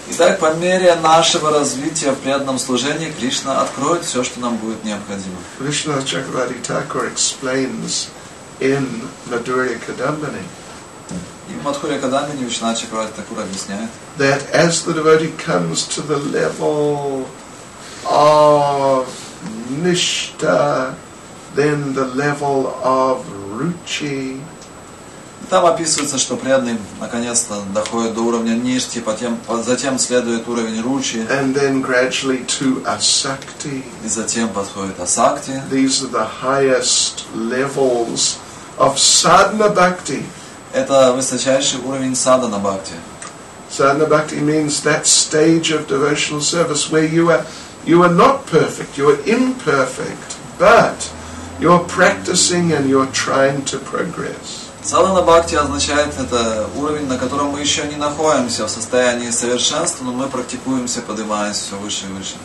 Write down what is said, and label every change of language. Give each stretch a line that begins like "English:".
Russian: Итак, по мере нашего развития в преданном служении, Кришна откроет все, что нам будет необходимо.
English: Krishna Chakravarti Thakur explains in Madhurya Kadambini.
Russian: И в Мадхурья Кадамбини Кришна Чакраварти Такур объясняет,
English: that as the devotee comes to the level of Nishta, then the level of ruchi.
Russian: Там описывается, что преданный наконец-то доходит до уровня ништхи, затем следует уровень ручи.
English: And then gradually to asakti.
Russian: И затем подходит асакти.
English: These are the highest levels of sadhana bhakti.
Russian: Это высочайший уровень садхана бхакти.
English: Sadhana bhakti means that stage of devotional service where you are not perfect, you are imperfect, but you're practicing and you're trying to progress.
Russian: Садхана бхакти означает это уровень, на котором мы еще не находимся в состоянии совершенства, но мы практикуемся, поднимаясь все выше и выше.